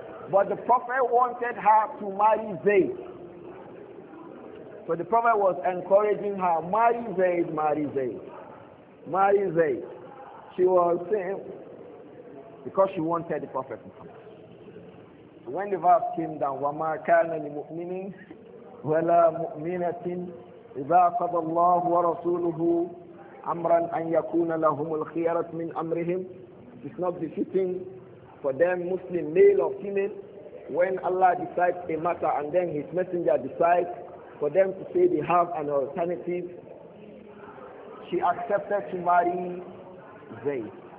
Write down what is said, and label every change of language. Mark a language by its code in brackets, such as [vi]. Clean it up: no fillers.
[en] But the Prophet wanted her to marry Zayd. So the Prophet was encouraging her, marry Zayd, marry Zayd, marry Zayd. She was saying, because she wanted the Prophet Muhammad. So when the verse came down, [ar] وَمَا كَانَ لِمُؤْمِنٍ وَلَا مُؤْمِنَةٍ إِذَا قَضَى اللَّهُ وَرَسُولُهُ أَمْرًا أَنْ يَكُونَ لَهُمُ الْخِيَرَةُ مِنْ أَمْرِهِمْ. [en] It's not befitting for them, Muslim, male or female, when Allah decides a matter and then His Messenger decides, for them to say they have an alternative, she accepted to marry Zayd.